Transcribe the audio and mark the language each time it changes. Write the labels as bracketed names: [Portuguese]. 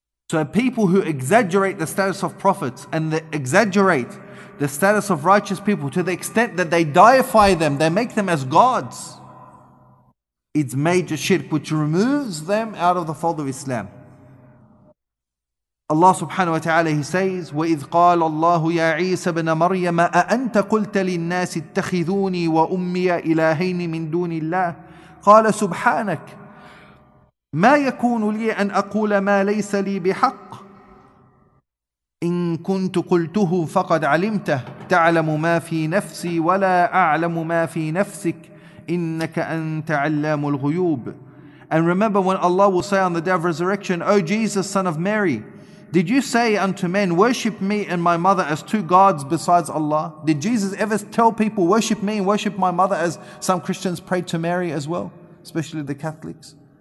[English] So people who exaggerate the status of prophets and they exaggerate the status of righteous people to the extent that they deify them, they make them as gods, it's major shirk, which removes them out of the fold of Islam. [Arabic] Allah subhanahu wa ta'ala, [English] he says, [Arabic] وَإِذْ قَالَ اللَّهُ يَا عِيسَى بْنَ مَرْيَمَ أَأَنْتَ قُلْتَ لِلنَّاسِ اتَّخِذُونِي وَأُمِّيَ إِلَهَيْنِ مِنْ دُونِ اللَّهِ قَالَ سُبْحَانَكَ مَا يَكُونُ لِي أَنْ أَقُولَ مَا لَيْسَ لِي بِحَقٍّ إن كنت قلته فقد علمته تعلم ما في نفسي ولا أعلم ما في نفسك إنك أنت علام الغيوب. [English] And remember when Allah will say on the day of resurrection, O Jesus, son of Mary, did you say unto men, worship me and my mother as two gods besides Allah? Did Jesus ever tell people, worship me and worship my mother as some Christians prayed to Mary as well, especially the Catholics?